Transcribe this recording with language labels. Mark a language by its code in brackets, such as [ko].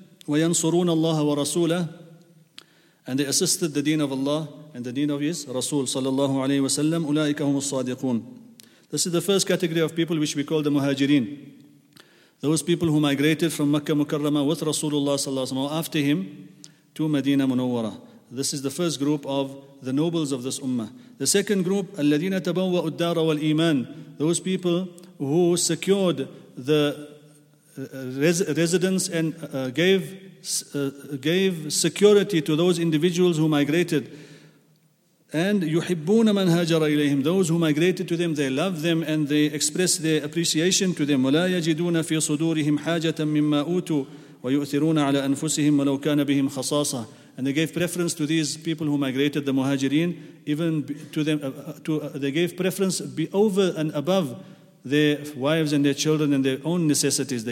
[ar] وَيَنْصُرُونَ اللَّهَ وَرَسُولَهُ. [en] And they assisted the deen of Allah and the deen of His Rasul sallallahu alayhi wa sallam. [ar] أُولَٰئِكَ هُمُ الصَّادِقُونَ. [en] This is the first category of people which we call the muhajirin. Those people who migrated from Makkah Mukarramah with Rasulullah sallallahu alayhi wa sallam after him to Medina Munawwara. This is the first group of the nobles of this ummah. The second group, [ar] الَّذِينَ تَبَوَّأُ الدَّارَ وَالْإِيمَانِ. [en] Those people who secured the residence and gave security to those individuals who migrated. [ar] And يُحِبُّونَ مَنْ هَاجَرَ إِلَيْهِمْ. [en] Those who migrated to them, they love them and they express their appreciation to them. [ar] وَلَا يَجِدُونَ فِي صُدُورِهِمْ حَاجَةً مِمَّا أُوتُوا وَيُؤْثِرُونَ عَلَىٰ أَنفُسِهِمْ وَلَوْ كَانَ بِهِمْ خَصَاصَةً. [en] And they gave preference to these people who migrated, the muhajirin, even to them. They gave preference over and above their wives and their children and their own necessities.